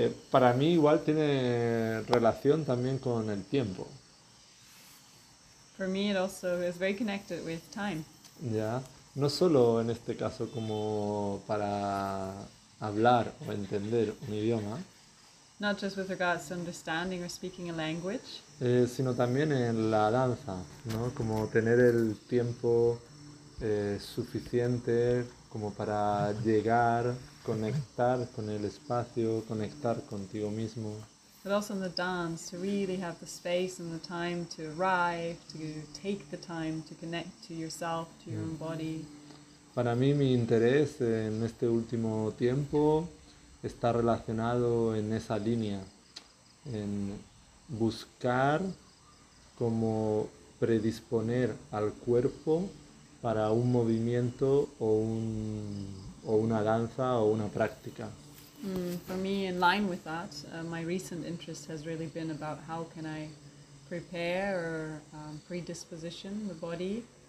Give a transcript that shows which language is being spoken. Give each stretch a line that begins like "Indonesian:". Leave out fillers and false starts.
Spanish: Para mí igual tiene relación también con el tiempo.
English: For me, it also is very connected with time.
Spanish: Yeah, no solo en este caso como para hablar o entender un idioma.
English: Not just with regards to understanding or speaking a language.
Spanish: Sino también en la danza, ¿no? Como tener el tiempo suficiente como para llegar, conectar con el espacio, conectar contigo mismo.
English: But also in the dance, to really have the space and the time to arrive, to take the time to connect to yourself, to your own body.
Spanish: Para mí, mi interés en este último tiempo está relacionado en esa línea, en buscar cómo predisponer al cuerpo para un movimiento o una danza o una práctica.
English: For me, in line with that, my recent interest has really been about how can I prepare or predisposition the body